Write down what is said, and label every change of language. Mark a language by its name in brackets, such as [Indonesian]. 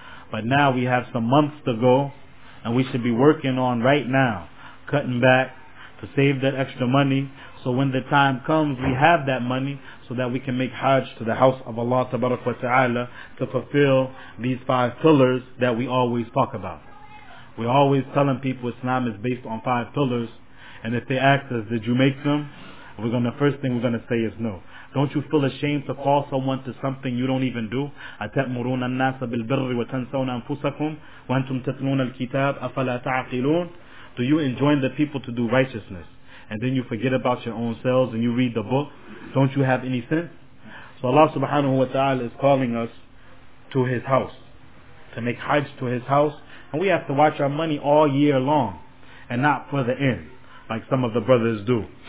[English] But now we have some months to go, and we should be working on right now, cutting back to save that extra money, so when the time comes, we have that money so that we can make Hajj to the house of Allah tabarak wa ta'ala to fulfill these five pillars that we always talk about. We're always telling people Islam is based on five pillars, and if they ask us, did you make them? The first thing we're going to say is no. Don't you feel ashamed to call someone to something you don't even do? [Arabic] أَتَأْمُرُونَ النَّاسَ بِالْبِرِّ وَتَنْسَوْنَ أَنفُسَكُمْ وَأَنْتُمْ تَتْلُونَ الْكِتَابَ أَفَلَا تَعْقِلُونَ [English] Do you enjoin the people to do righteousness? And then you forget about your own selves and you read the book? Don't you have any sense? So Allah subhanahu wa ta'ala is calling us to His house, to make Hajj to His house. And we have to watch our money all year long and not for the end, like some of the brothers do.